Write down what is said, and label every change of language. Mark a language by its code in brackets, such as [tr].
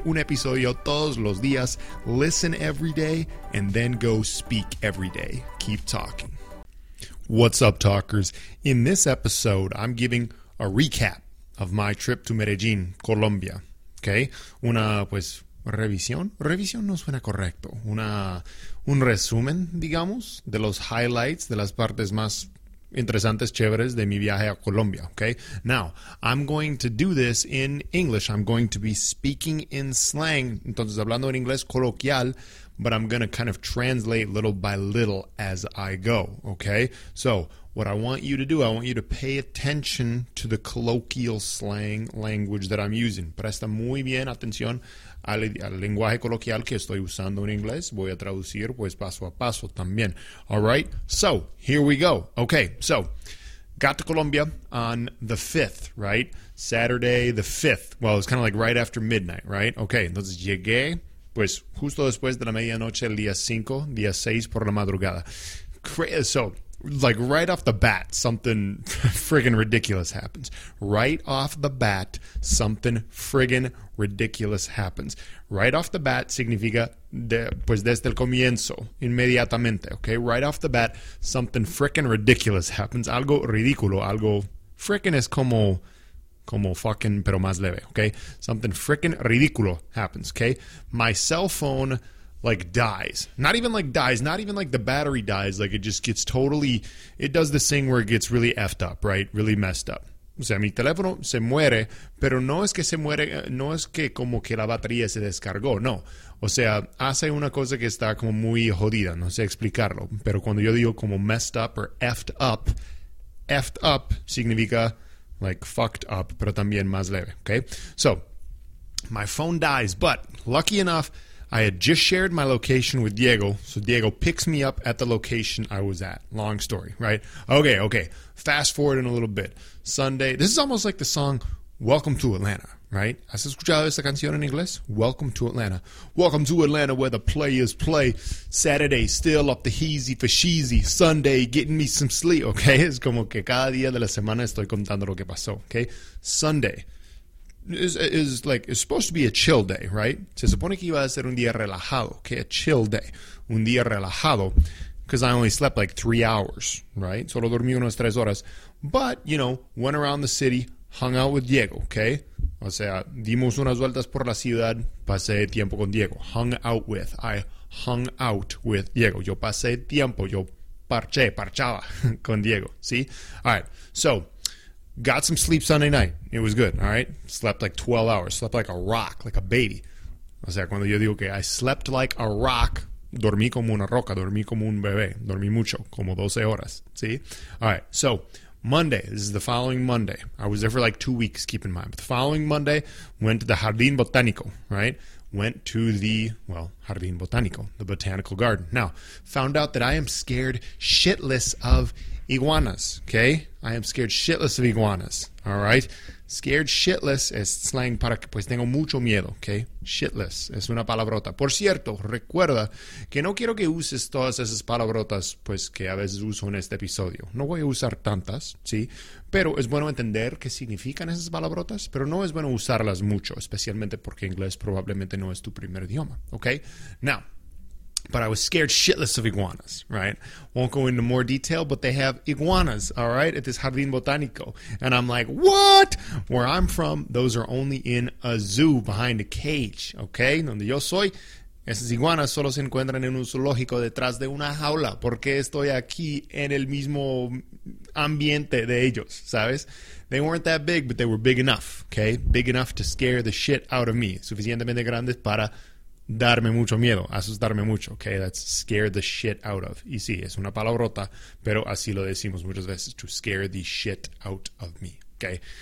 [es] Un episodio todos los días. [en] Listen every day and then go speak every day. Keep talking. What's up, talkers? In this episode, I'm giving a recap of my trip to Medellin, Colombia. [es] Okay? Una, pues, revisión. Revisión no suena correcto. Un resumen, digamos, de los highlights, de las partes más interesantes, chéveres de mi viaje a Colombia. [en] Okay? Now, I'm going to do this in English. I'm going to be speaking in slang. [es] Entonces, hablando en inglés coloquial. [en] But I'm going to kind of translate little by little as I go, okay? So what I want you to do, I want you to pay attention to the colloquial slang language that I'm using. [es] Presta muy bien atención al lenguaje coloquial que estoy usando en inglés. Voy a traducir pues paso a paso también. [en] All right, so here we go. Okay, so got to Colombia on the 5th, right? Saturday the 5th. Well, it's kind of like right after midnight, right? [es] Okay, entonces llegué. Pues justo después de la medianoche, el día 5, día 6 por la madrugada. [en] So, like right off the bat, something friggin' ridiculous happens. Right off the bat, something friggin' ridiculous happens. Right off the bat [es] significa pues desde el comienzo, inmediatamente, okay? [en] Right off the bat, something friggin' ridiculous happens. [es] Algo ridículo, algo friggin' es como... Como fucking, pero más leve, okay? [en] Something freaking ridículo happens, okay? My cell phone, like, dies. Not even, like, the battery dies. Like, it just gets totally... It does this thing where it gets really effed up, right? Really messed up. [es] O sea, mi teléfono se muere, pero no es que se muere... No es que como que la batería se descargó, no. O sea, hace una cosa que está como muy jodida. No sé explicarlo. Pero cuando yo digo como [en] messed up or effed up [es] significa... [en] Like, fucked up, [es] pero también más leve, okay? [en] So, my phone dies, but lucky enough, I had just shared my location with Diego, so Diego picks me up at the location I was at. Long story, right? Okay, fast forward in a little bit. Sunday, this is almost like the song, Welcome to Atlanta, right? [es] ¿Has escuchado esta canción en inglés? [en] Welcome to Atlanta. Welcome to Atlanta, where the players play. Saturday, still up the heezy for sheezy. Sunday, getting me some sleep. [es] Okay, es como que cada día de la semana estoy contando lo que pasó. [en] Okay, Sunday is supposed to be a chill day, right? [es] Se supone que iba a ser un día relajado. [en] Okay, a chill day. [es] Un día relajado. [en] Because I only slept like 3 hours, right? [es] Solo dormí unas 3 horas. [en] But, you know, went around the city, hung out with Diego, okay? [es] O sea, dimos unas vueltas por la ciudad, pasé tiempo con Diego. [en] I hung out with Diego. [es] Yo pasé tiempo, yo parchaba con Diego, see? [en] All right, so, got some sleep Sunday night. It was good, all right? Slept like 12 hours, slept like a rock, like a baby. [es] O sea, cuando yo digo que [en] I slept like a rock, [es] dormí como una roca, dormí como un bebé, dormí mucho, como 12 horas, see? [en] All right, so... Monday, this is the following Monday. I was there for like 2 weeks, keep in mind. But the following Monday, went to the Jardín Botánico, right? Went to the, well, Jardín Botánico, the botanical garden. Now, found out that I am scared shitless of iguanas, okay? I am scared shitless of iguanas, all right? Scared shitless [es] es slang para que pues tengo mucho miedo, okay? Shitless es una palabrota. Por cierto, recuerda que no quiero que uses todas esas palabrotas pues que a veces uso en este episodio. No voy a usar tantas, ¿sí? Pero es bueno entender qué significan esas palabrotas, pero no es bueno usarlas mucho, especialmente porque inglés probablemente no es tu primer idioma, okay? [en] Now, but I was scared shitless of iguanas, right? Won't go into more detail, but they have iguanas, all right, at this Jardín Botánico. And I'm like, what? Where I'm from, those are only in a zoo behind a cage, okay? [es] Donde yo soy, esas iguanas solo se encuentran en un zoológico detrás de una jaula. Porque estoy aquí en el mismo ambiente de ellos, ¿sabes? [en] They weren't that big, but they were big enough, okay? Big enough to scare the shit out of me. [es] Suficientemente grandes para... Darme mucho miedo, asustarme mucho, okay? [en] That's scare the shit out of. [es] Y sí, es una palabrota, pero así lo decimos muchas veces, [en] to scare the shit out of me, okay?